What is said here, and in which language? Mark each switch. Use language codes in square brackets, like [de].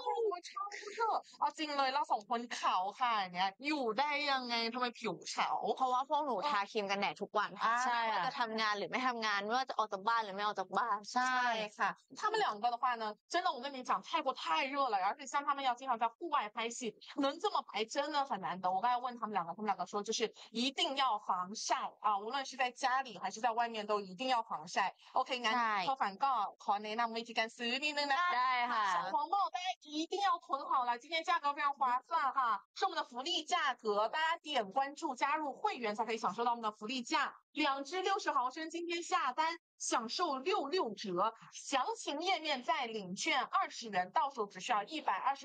[zh] 我超热啊真的 [th] เราสองคนขาวค่ะเนี่ยอยู่ได้ยังไงทำไมผิวขาว เพราะว่าพวกหนูทาครีมกันแดดทุกวัน ใช่ ว่าจะทำงานหรือไม่ทำงานว่าจะออกจากบ้านหรือไม่ออกจากบ้าน ใช่ค่ะถ้าไม่ [zh] 两个的话呢真的我跟你讲泰国太热了而且像他们要经常在户外拍戏能这么白真的很难得我刚才问他们两个说就是一定要防晒啊无论是在家里还是在外面都一定要防晒 OK 那 [th] ข้อ反告ขอแนะนำวิธีการซื้อนิดนึงนะ ได้ค่ะ ใส่หัวหมอกได้ [zh] 一定要囤好了今天价格非常划算哈是我们的福利价格大家点关注加入会员才可以享受到我们的福利价两支60毫升今天下单享受66折详情页面再领券20元到手只需要128